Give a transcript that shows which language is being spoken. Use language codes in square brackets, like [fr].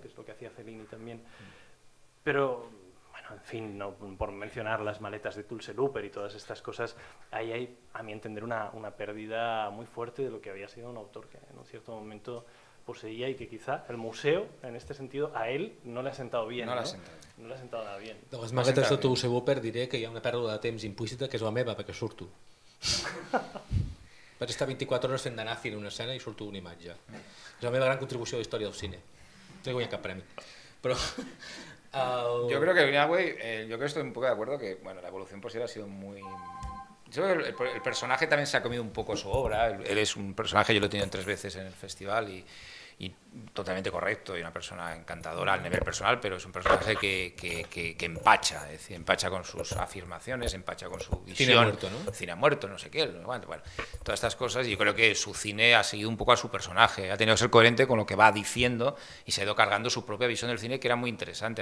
[es] Que es lo que hacía Fellini también. Pero, bueno, en fin, no, por mencionar las maletas de Tulse Looper y todas estas cosas, ahí hay, a mi entender, una pérdida muy fuerte de lo que había sido un autor que en un cierto momento poseía y que quizá el museo, en este sentido, a él no le ha sentado bien. No le ha sentado nada bien. [ca] De les maletes de Tulse Looper diré que hi ha una pèrdua de temps implícita que és la meva perquè surto. Vaig estar 24 hores fent de nazi en una escena i surto una imatge. És la meva gran contribució a la història del cine. No he guanyat cap premi. Però, Jo crec que Greenaway, jo crec que estic un poc d'acord que bueno, la evolució posterior ha sigut molt... El personatge també s'ha comido un poc su obra. Ell és un personatge, jo l'he tingut tres vegades en el festival [es] y totalmente correcto y una persona encantadora al nivel personal, pero es un personaje que empacha, es decir, empacha con sus afirmaciones, empacha con su visión. Cine muerto, ¿no? Cine muerto, no sé qué, bueno, todas estas cosas. Yo creo que su cine ha seguido un poco a su personaje, ha tenido que ser coherente con lo que va diciendo y se ha ido cargando su propia visión del cine, que era muy interesante.